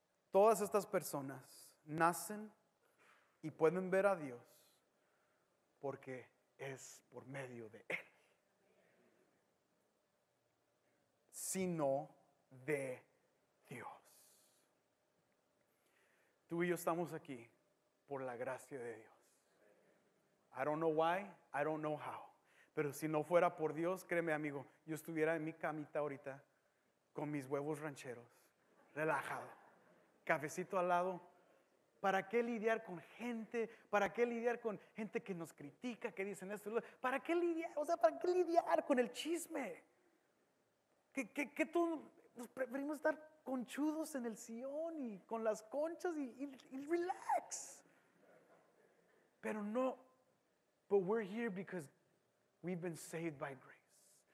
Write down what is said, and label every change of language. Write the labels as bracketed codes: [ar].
[es] Todas estas personas nacen y pueden ver a Dios porque es por medio de Él, sino de Dios. Tú y yo estamos aquí por la gracia de Dios. [en] I don't know why, I don't know how. [es] Pero si no fuera por Dios, créeme amigo, yo estuviera en mi camita ahorita con mis huevos rancheros, relajado. Cafecito al lado, ¿para qué lidiar con gente? ¿Para qué lidiar con gente que nos critica, que dicen esto? ¿Para qué lidiar? O sea, ¿para qué lidiar con el chisme? ¿Qué tú? Nos preferimos estar conchudos en el sillón y con las conchas y relax. Pero no, [en] but we're here because we've been saved by grace.